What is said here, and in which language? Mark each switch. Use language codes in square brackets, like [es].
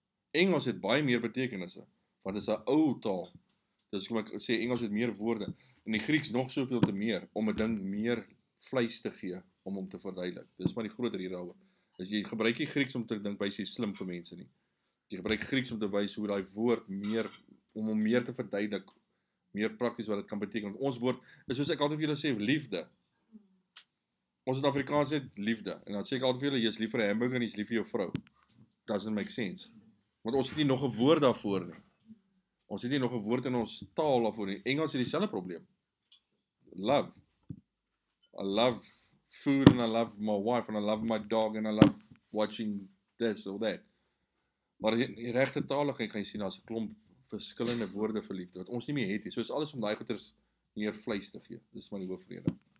[af] Engels het baie meer betekenisse, want het is een ou taal. Dus kom ek sê, Engels het meer woorde, en die Grieks nog soveel te meer, om een ding meer vleis te gee, om hom te verduidelik. Dit is maar die groter hier houwe. As jy gebruik die Grieks om te dink, wees jy slim vir mense nie. Jy gebruik Grieks om te wees hoe die woord meer, om hom meer te verduidelik, meer prakties wat dit kan beteken. Want ons woord is soos ek altyd vir julle sê, liefde. Ons in Afrikaans het liefde. En dan sê ek altyd vir julle, jy is lief vir 'n hamburger en jy is lief vir jou vrou. [en] Doesn't make sense. [af] Want ons het nie nog 'n woord daarvoor nie. Ons het nie nog 'n woord in ons taal daarvoor nie. Engels het dieselfde probleem. [en] Love. I love food and I love my wife and I love my dog and I love watching this or that. [af] Maar in die regte taal gaan jy sien as 'n klomp verskillende woorde vir liefde, wat ons nie meer het nie. So is alles om daai goeters meer vleis te gee. Dis maar die hoofrede.